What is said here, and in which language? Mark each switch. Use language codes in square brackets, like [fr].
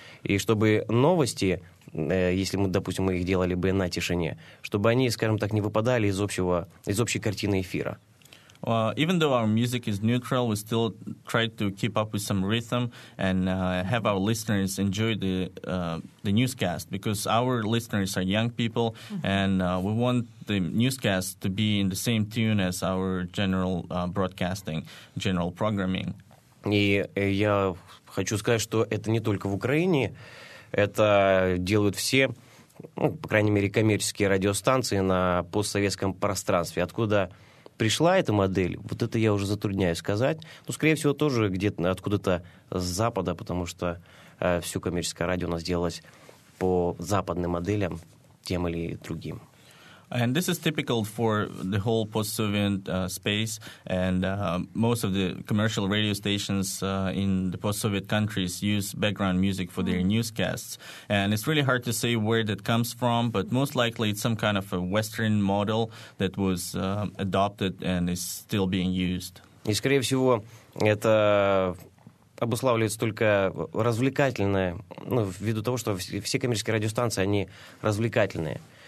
[ru] И чтобы новости, если мы, допустим, мы их делали бы на тишине, чтобы они, скажем так, не выпадали из общей картины эфира. [en] Even though our music is neutral, we still try to keep up with some rhythm and have our listeners enjoy the newscast, because our listeners are young people, and we want the newscast to be in the same tune as our general broadcasting, general programming. [ru] И я хочу сказать, что это не только в Украине, это делают все, ну, по крайней мере, коммерческие радиостанции на постсоветском пространстве. Откуда пришла эта модель, вот это я уже затрудняюсь сказать. Но, скорее всего, тоже где-то откуда-то с Запада, потому что все коммерческое радио у нас делалось по западным моделям, тем или другим. [en] And this is typical for the whole post-Soviet space, and most of the commercial radio stations in the post-Soviet countries use background music for their newscasts. And it's really hard to say where that comes from, but most likely it's some kind of a Western model that was adopted and is still being used. [ru] И, скорее всего, это обуславливается только развлекательное, ну, ввиду того, что все коммерческие радиостанции, они развлекательные.